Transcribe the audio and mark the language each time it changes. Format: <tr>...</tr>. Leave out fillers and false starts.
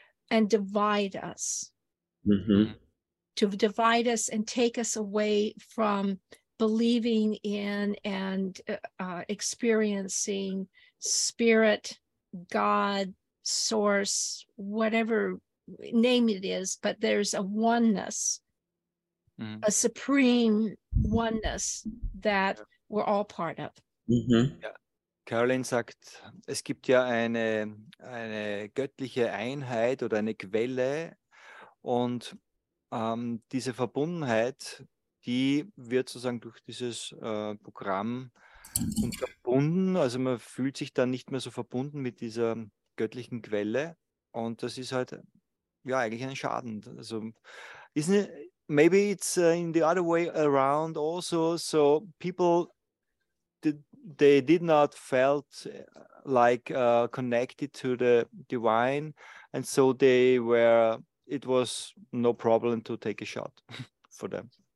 <en>and divide us, to divide us and take us away from believing in and experiencing spirit, God, source, whatever name it is, but there's a oneness, a supreme oneness that we're all part of.</en> <de>Ja. Caroline sagt, es gibt ja eine göttliche Einheit oder eine Quelle, und diese Verbundenheit, die wird sozusagen durch dieses Programm unterbunden. Also man fühlt sich dann nicht mehr so verbunden mit dieser göttlichen Quelle, und das ist halt ja eigentlich ein Schaden.</de> <en>Also isn't it, maybe it's in the other way around also, so people they did not felt like connected to the divine, and so they were, it was no problem to take a shot for them.</en>